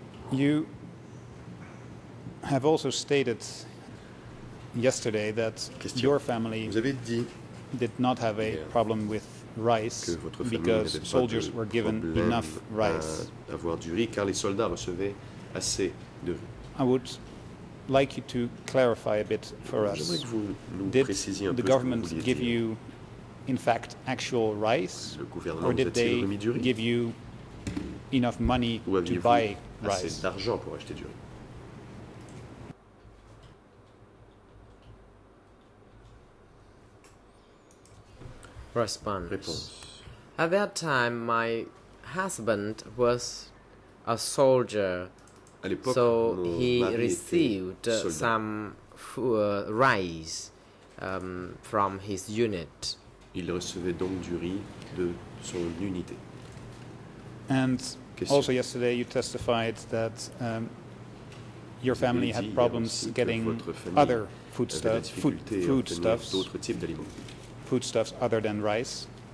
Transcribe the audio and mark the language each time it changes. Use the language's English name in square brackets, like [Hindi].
[English] You have also stated yesterday that your family did not have a problem with rice because soldiers were given enough rice. [French] Avoir du riz, car les soldats recevaient assez de riz. [English] I would like you to clarify a bit for us. Did the government give you, in fact, actual rice, or did they give you enough money to buy rice? [French] D'argent pour acheter du riz? [English] Response. At that time, my husband was a soldier. So he received some rice from his unit. [French] Il recevait donc du riz de son unité. [English] And also yesterday you testified that your family had problems getting other foodstuffs other than rice.